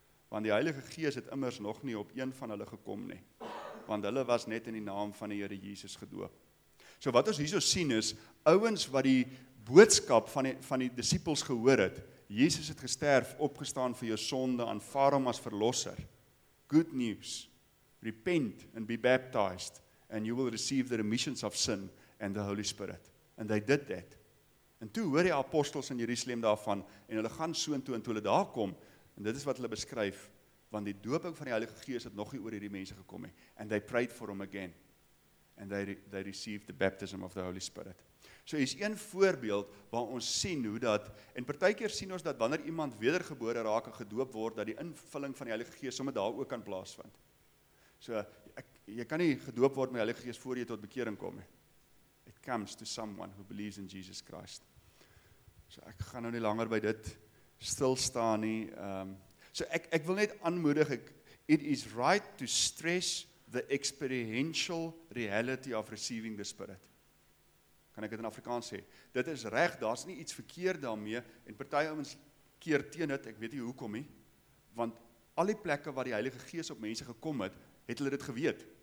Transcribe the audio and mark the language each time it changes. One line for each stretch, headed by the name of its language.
Afrikaans: Want die Heilige Gees het immers nog nie op een van hulle gekom nie, want hulle was net in die naam van die Here Jesus gedoop. So wat ons hierso sien is, ouens wat die boodskap van die disippels gehoor het, Jesus het gesterf, opgestaan vir jou sonde, aanvaar hom as verlosser.
English: Good news. Repent and be baptized, and you will receive the remissions of sin and the Holy Spirit. And they did that.
Afrikaans: En toe hoor die apostels in Jerusalem daarvan, en hulle gaan soontoe, en toe hulle daar kom, en dit is wat hulle beskryf, want die dooping van die Heilige Gees het nog nie oor hierdie mense gekom nie.
English: And they prayed for him again. And they received the baptism of the Holy Spirit.
Afrikaans: So is een voorbeeld waar ons sien hoe dat, en partykeer sien ons dat wanneer iemand wedergebore raak en gedoop word, dat die invulling van die Heilige Gees sommer daar ook kan plaasvind. So, jy kan nie gedoop word met die Heilige Gees voor jy tot bekering kom.
English: It comes to someone who believes in Jesus Christ.
Afrikaans: So ek gaan nou nie langer by dit stilstaan nie. So ek wil net aanmoedig,
English: it is right to stress the experiential reality of receiving the Spirit.
Afrikaans: Kan ek dit in Afrikaans sê? Dit is reg, daar is nie iets verkeerd daarmee, en party ouens keer teen dit, ek weet nie hoekom nie, want al die plekke waar die Heilige Gees op mense gekom het, het hulle dit geweet.